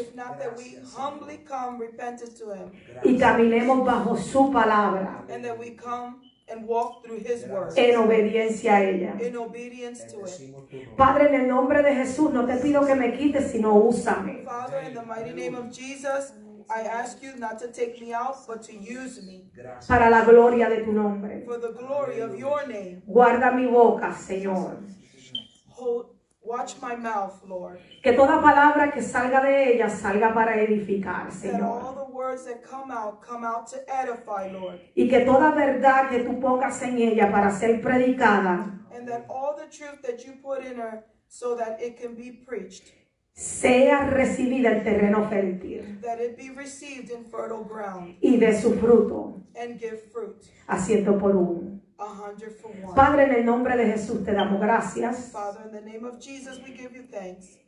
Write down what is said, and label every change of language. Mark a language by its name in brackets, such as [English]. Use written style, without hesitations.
[English] if not that we humbly come repented to Him, [Spanish] y caminemos bajo su palabra, [English] and that we come and walk through His word, [Spanish] en obediencia a ella. [English] In obedience to it. [Spanish] Padre, en el nombre de Jesús, no te pido que me quites, sino úsame. [English] Father, in the mighty name of Jesus, I ask you not to take me out, but to use me. [Spanish] Para la gloria de tu nombre. [English] For the glory of your name. [Spanish] Guarda mi boca, Señor. [English] Hold, watch my mouth, Lord. [Spanish] Que toda palabra que salga de ella salga para edificar, Señor. [English] That all the words that come out to edify, Lord. [Spanish] Y que toda verdad que tú pongas en ella para ser predicada. [English] And that all the truth that you put in her so that it can be preached. [Spanish] Sea recibida en terreno fértil. [English] That it be received in fertile ground. [Spanish] Y de su fruto. [English] And give fruit. [Spanish] A ciento por uno. [English] A hundred for one. [Spanish] Padre, en el nombre de Jesús te damos gracias. [English] Father, in the name of Jesus, we give you thanks.